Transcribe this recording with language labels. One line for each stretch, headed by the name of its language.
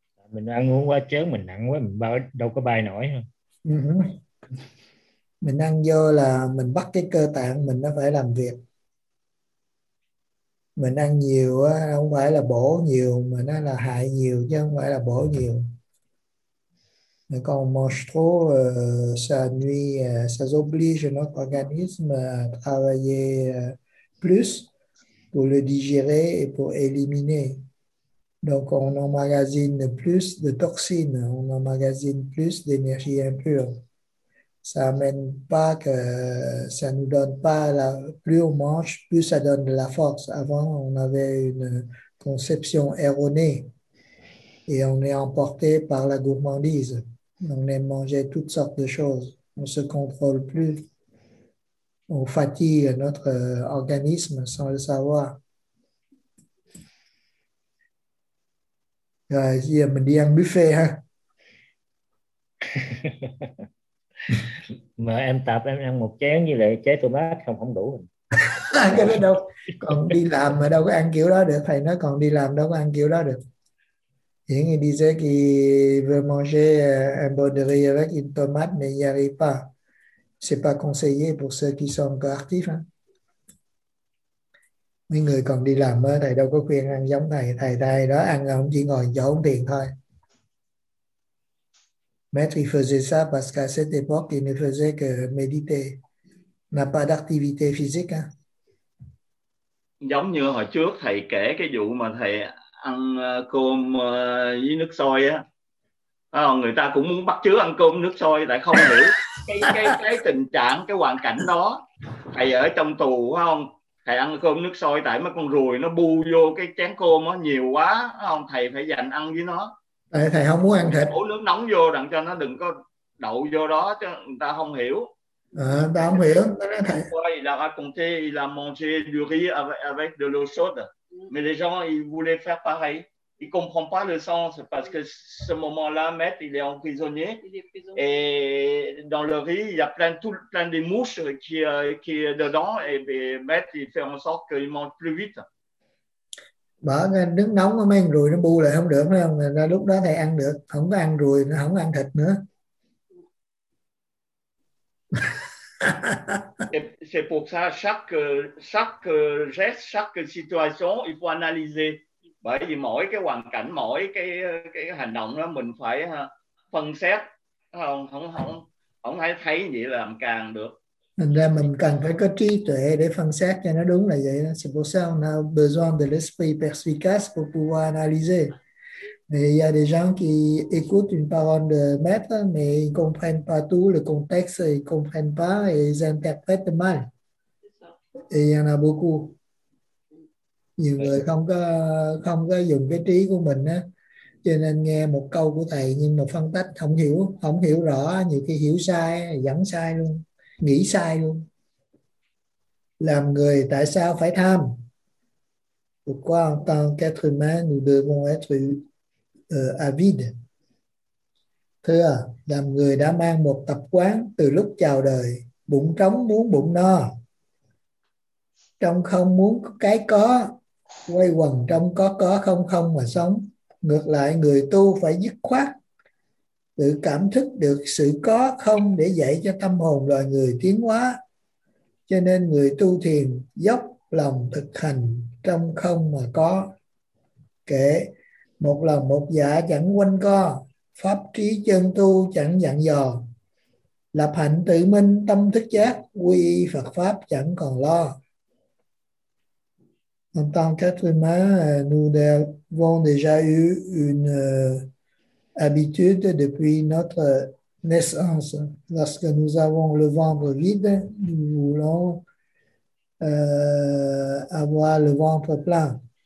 Vietnamese: Mình ăn uống quá trớn, mình nặng quá, mình đâu có bay nổi. Mình ăn vô là mình bắt cái cơ tạng mình nó phải làm việc. Mình ăn nhiều không phải là bổ nhiều, mà nó là hại nhiều chứ không phải là bổ nhiều.
French: Quand on mange trop, ça nuit, ça oblige notre organisme à travailler plus pour le digérer et pour éliminer. Donc, on emmagasine plus de toxines, on emmagasine plus d'énergie impure. Ça amène pas que, ça nous donne pas la, plus on mange, plus ça donne de la force. Avant, on avait une conception erronée et on est emporté par la gourmandise. On aime manger toutes sortes de choses. On ne se contrôle plus. On fatigue notre organisme sans le savoir. Vas-y, me dis un buffet, hein?
Vietnamese: Mà em tập, em ăn một chén với lại chén tomat không không đủ. Cái đó đâu. Còn đi làm mà đâu có ăn kiểu đó được. Thầy nói còn đi làm đâu có ăn kiểu đó được.
French: Hiện il disait qu'il veut manger un bol de riz avec une tomate, mais il n'y arrive pas. Ce n'est pas conseillé pour ceux qui sont encore actifs. Hein?
Vietnamese: Mấy người còn đi làm, thầy đâu có khuyên ăn giống thầy. Thầy thầy đó ăn, ông chỉ ngồi chỗ ông tiền thôi.
French: Maître, il faisait ça parce qu'à cette époque, il ne faisait que méditer. N'a pas d'activité physique. Hein?
Vietnamese: Giống như hồi trước, thầy kể cái vụ mà thầy ăn cơm với nước sôi á, à, người ta cũng muốn bắt chước ăn cơm nước sôi, tại không hiểu cái tình trạng, cái hoàn cảnh đó. Thầy ở trong tù phải không, thầy ăn cơm nước sôi tại mấy con ruồi nó bu vô cái chén cơm nó nhiều quá, không thầy phải dành ăn với nó. Thầy không muốn ăn thịt. Đổ nước nóng vô đặng cho nó đừng có đậu vô đó chứ người ta không hiểu. Ta không hiểu. Nó nói thầy. Quay là
French: raconter il a mangé du riz avec de l'eau chaude. Mais les gens ils voulaient faire pareil. Ils comprennent pas le sens parce que ce moment-là, maître, il est emprisonné. Et dans le riz, il y a plein de mouches qui est dedans. Et maître, il fait en sorte qu'il mange plus vite.
Vietnamese: Bởi nước nóng mấy con ruồi nó bu lại không được, ra lúc đó thầy ăn được, không có ăn ruồi nó không ăn thịt nữa.
French: C'est pour ça chaque geste, chaque situation, il faut analyser.
Vietnamese: Bởi vì mỗi cái hoàn cảnh, mỗi cái hành động đó mình phải phân xét, không phải thấy vậy là làm càng được. Thành ra mình cần phải có trí tuệ để phân xét cho nó đúng là vậy.
French: C'est pour ça qu'on a besoin de l'esprit perspicace pour pouvoir analyser. Mais il y a des gens qui écoutent une parole de maître, mais ils ne comprennent pas tout le contexte, ils ne comprennent pas et ils interprètent mal. Et il y en a beaucoup.
Vietnamese: Nhiều người không có dùng cái trí của mình á, cho nên nghe một câu của thầy nhưng mà phân tách không hiểu, không hiểu rõ, nhiều khi hiểu sai, dẫn sai luôn. Nghĩ sai luôn. Làm người tại sao phải tham?
French: Pourquoi en tant qu'être humain nous devons être avides?
Vietnamese: Thưa, làm người đã mang một tập quán từ lúc chào đời, bụng trống muốn bụng no, trong không muốn cái có, quay quần trong có không không mà sống. Ngược lại, người tu phải dứt khoát tự cảm thức được sự có không để dạy cho tâm hồn loài người tiến hóa. Cho nên người tu thiền dốc lòng thực hành trong không mà có. Kể một lòng một dạ chẳng quanh co, pháp trí chân tu chẳng dặn dò. Lập hạnh tự minh tâm thức giác, quy y Phật Pháp chẳng còn lo.
French: En tant qu'être humain, nous avons déjà eu une habitude depuis notre naissance. Lorsque nous avons le ventre vide, nous voulons avoir le ventre plein.